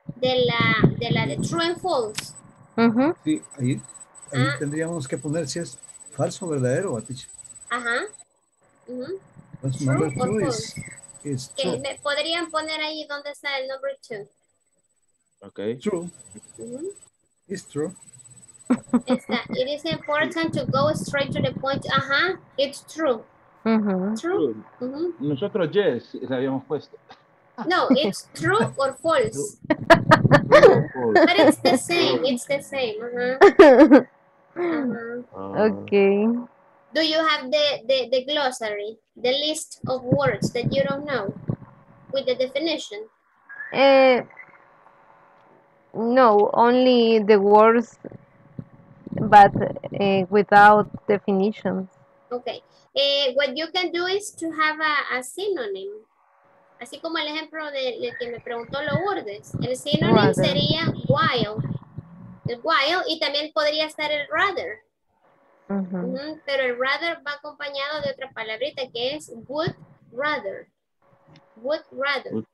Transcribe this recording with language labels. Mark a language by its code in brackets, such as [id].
[es] De la de [en] true and false. Uh-huh. [es] Sí, ahí uh-huh. tendríamos que poner si es falso o verdadero, Batich. Ajá. [en] What's number two is true. [es] ¿Me podrían poner ahí dónde está el [en] number two? Okay. True. Uh-huh. It's true. It is important to go straight to the point. Ajá, uh-huh. It's true. Uh-huh. True. Uh-huh. [es] Nosotros, [en] yes, [es] la habíamos puesto. [en] No, it's true or false. True. But it's the same. True. It's the same. Uh-huh. Uh-huh. Okay. Do you have the glossary, the list of words that you don't know with the definition? No, only the words. But without definition. Okay. What you can do is to have a synonym. [es] Así como el ejemplo de que me preguntó Lourdes. El synonym rather. Sería while. El while y también podría estar el rather. Uh-huh. Uh-huh. Pero el rather va acompañado de otra palabrita que es would rather. Would rather.